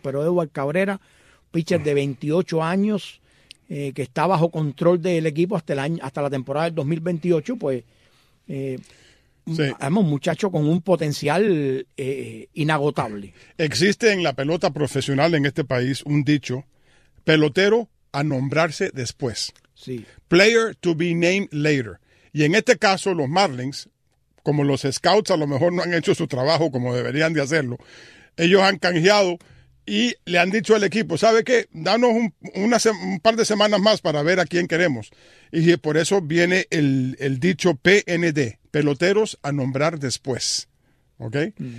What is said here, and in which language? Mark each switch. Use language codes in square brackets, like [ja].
[es] Pero Edward Cabrera, pitcher de 28 años, que está bajo control del equipo hasta la temporada del 2028, pues es un muchacho con un potencial inagotable. Existe en la pelota profesional en este país un dicho: pelotero a nombrarse después. Sí. [en] Player to be named later. [es] Y en este caso, los Marlins, como los scouts a lo mejor no han hecho su trabajo como deberían de hacerlo, ellos han canjeado. Y le han dicho al equipo, ¿sabe qué? Danos un par de semanas más para ver a quién queremos. Y por eso viene el dicho PND, peloteros a nombrar después. ¿Ok? Mm.